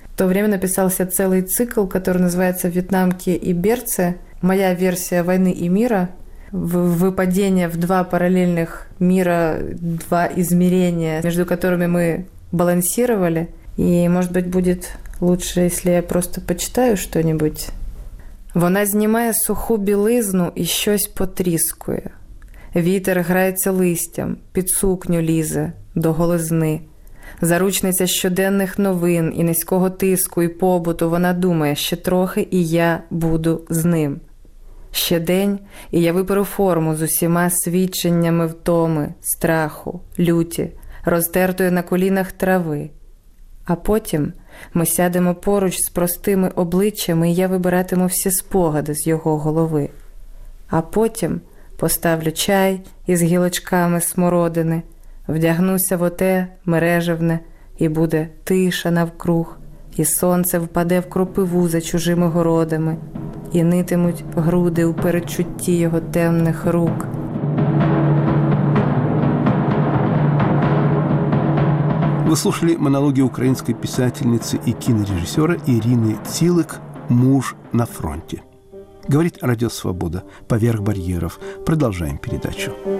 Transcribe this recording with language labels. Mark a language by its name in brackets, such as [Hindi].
[Russian] В то время написался целый цикл, который называется «Вьетнамки и берцы. Моя версия войны и мира». Выпадение в два параллельных мира, два измерения, между которыми мы балансировали. И, может быть, будет лучше, если я просто почитаю что-нибудь. [Ukrainian] «Вона знімає суху білизну і щось потріскує. Вітер грається листям, під сукню лізе, до голизни. Заручниця щоденних новин і низького тиску, і побуту вона думає, ще трохи, і я буду з ним. Ще день, і я виперу форму з усіма свідченнями втоми, страху, люті, розтертої на колінах трави. А потім ми сядемо поруч з простими обличчями, і я вибиратиму всі спогади з його голови. А потім поставлю чай із гілочками смородини, вдягнуся в оте мережевне, і буде тиша навкруг, і сонце впаде в кропиву за чужими городами, і нитимуть груди у передчутті його темних рук». [Russian] Вы слушали монологи украинской писательницы и кинорежиссера Ирины Цилык «Муж на фронте». Говорит Радио Свобода. Поверх барьеров. Продолжаем передачу.